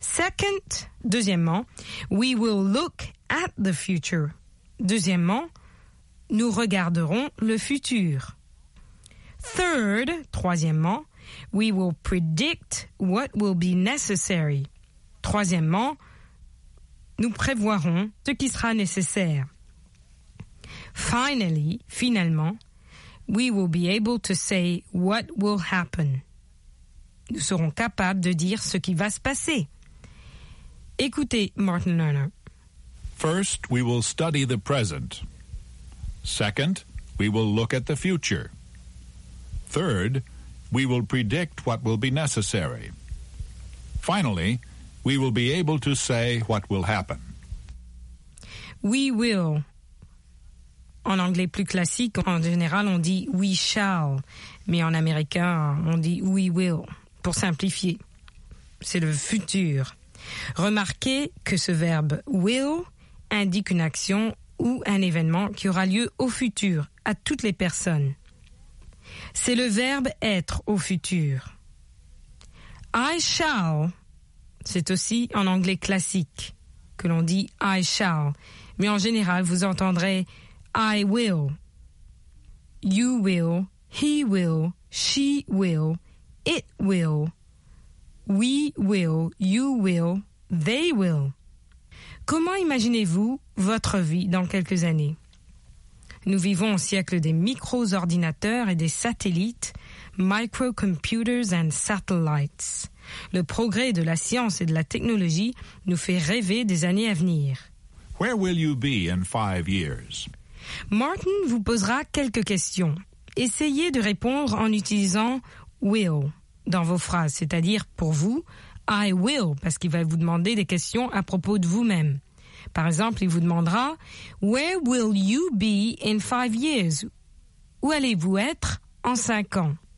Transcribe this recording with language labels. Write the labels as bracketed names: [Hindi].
[English] Second, [French] deuxièmement, [English] « we will look at the future. » [French] Deuxièmement, « nous regarderons le futur. » [English] Third, [French] troisièmement, [English] « we will predict what will be necessary. » [French] Troisièmement, nous prévoirons ce qui sera nécessaire. [English] Finally, [French] finalement, [English] we will be able to say what will happen. [French] Nous serons capables de dire ce qui va se passer. Écoutez Martin Lerner. [English] First, we will study the present. Second, we will look at the future. Third, we will predict what will be necessary. Finally, we will be able to say what will happen. We will. [French] En anglais plus classique, en général, on dit [English] we shall. [French] Mais en américain, on dit [English] we will. [French] Pour simplifier, c'est le futur. Remarquez que ce verbe will indique une action ou un événement qui aura lieu au futur, à toutes les personnes. C'est le verbe être au futur. [English] I shall. [French] C'est aussi en anglais classique que l'on dit [English] I shall. [French] Mais en général, vous entendrez [English] « I will »,« you will »,« he will »,« she will »,« it will »,« we will »,« you will »,« they will ». [French] Comment imaginez-vous votre vie dans quelques années? Nous vivons au siècle des micro-ordinateurs et des satellites, « [English] microcomputers and satellites ». [French] Le progrès de la science et de la technologie nous fait rêver des années à venir. [English] Where will you be in 5 years? [French] Martin vous posera quelques questions. Essayez de répondre en utilisant « will » dans vos phrases, c'est-à-dire pour vous, « [English] I will [French] » parce qu'il va vous demander des questions à propos de vous-même. Par exemple, il vous demandera « [English] Where will you be in 5 years? [French] » Où allez-vous être en 5 ans?